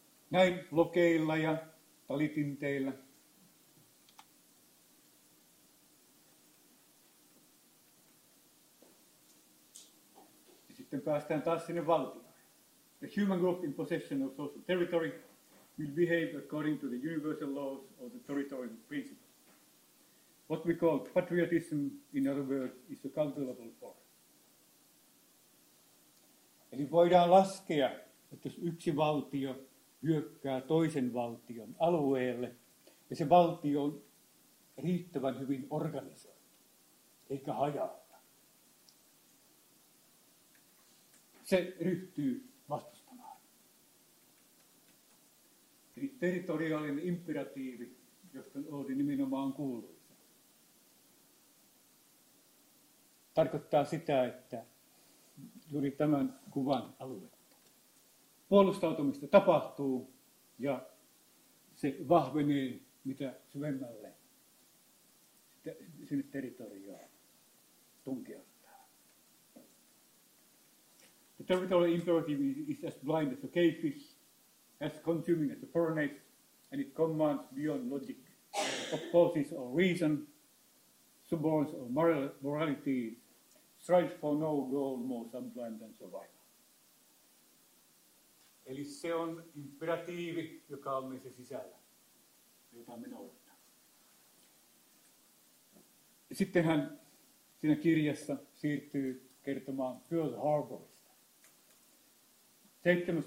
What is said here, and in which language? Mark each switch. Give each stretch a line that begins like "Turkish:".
Finnish: Näin lokeilla ja talitinteillä. Ja sitten päästään taas sinne valtioon.
English: The human group in possession of social territory will behave according to the universal laws or the territorial principle. What we call patriotism, in other words, is a calculable force.
Finnish: Eli voidaan laskea, että jos yksi valtio hyökkää toisen valtion alueelle, ja se valtio on riittävän hyvin organisoitu, eikä hajalla. Se ryhtyy vastustamaan. Eli territoriaalinen imperatiivi, josta Oodi nimenomaan kuuluisa, tarkoittaa sitä, että juuri tämän kuvan alue. Puolustautumista tapahtuu ja se vahvenee mitä syvemmälle sinne territorioon tunkeuttaa.
English: The territorial imperative is as blind as a cavefish, as consuming as a furnace, and it commands beyond logic, opposes all reason, suborns all morality, strives for no goal more sublime than survival.
Finnish: Eli se on imperatiivi, joka on meissä sisällä, jota me noudattaa. Sitten hän siinä kirjassa siirtyy kertomaan Pearl Harborista. 7.